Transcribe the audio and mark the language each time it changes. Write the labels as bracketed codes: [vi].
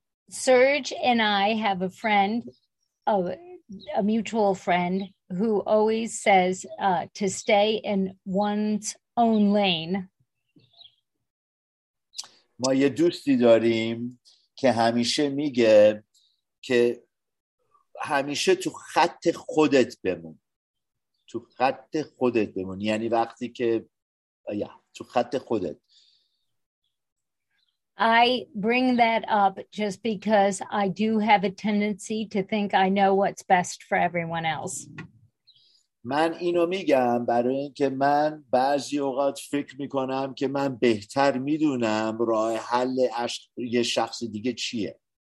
[en] Serge and I have a friend, a mutual friend, who always says to stay in one's own lane. [fa] ما یه دوستی داریم که همیشه میگه که همیشه تو خط خودت بمون. تو خط خودت بمون. یعنی وقتی که تو خط خودت. [en] I bring that up just because I do have a tendency to think I know what's best for everyone else. [fa] من اینو میگم برای اینکه من بعضی اوقات فکر میکنم که من بهتر میدونم راه حل یه شخص دیگه چیه.